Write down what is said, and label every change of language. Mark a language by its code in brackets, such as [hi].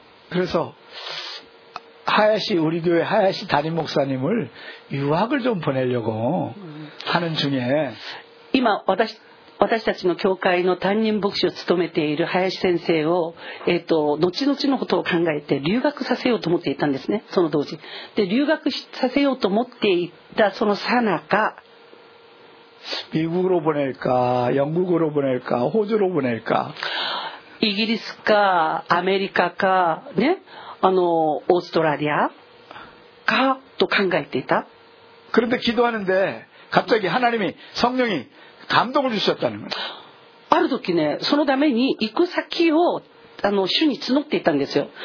[ko] 그래서우리교회하야시담임목사님을유학을좀보내려고하는중에 [ja] 今 私たちの教会の担任牧師を務めている林先生を、後々のことを考えて留学させようと思っていたんですね。その当時で留学させようと思っていたそのさなか、 [ko] 미국으로보낼까영국으로보낼까호주로보낼까、 [ja] イギリスかアメリカかね、オーストラリアかと考えていた。 [ko] 그런데기도하는데갑자기하나님이성령이감동을주셨다는거예요。 [ja] ある時ね、そのために行く先を主に募っていたんですよ。